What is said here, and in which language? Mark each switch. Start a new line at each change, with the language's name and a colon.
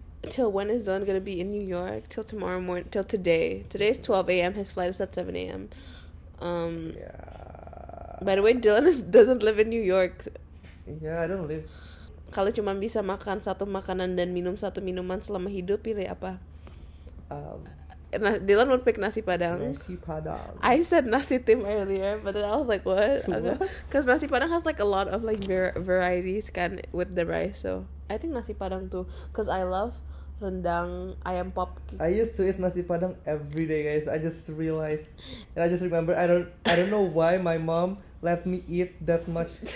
English: Till when is Dillon gonna be in New York? Till tomorrow morning, till today. Today's 12 a.m., his flight is at 7 a.m., Yeah. By the way, Dillon doesn't live in New York. Yeah, I don't live.
Indonesian: Kalau cuma bisa makan satu makanan dan minum satu minuman selama hidup, pilih apa?
English: Dillon would pick nasi padang. Nasi padang. I said nasi tim earlier, but then I was like, what? Because nasi padang has like a lot of like varieties kan with the rice, so I think nasi padang too. Because I love rendang ayam pop. I used to eat nasi padang every day, guys. I just realized, and I just remember, I don't know why my mom let me eat that much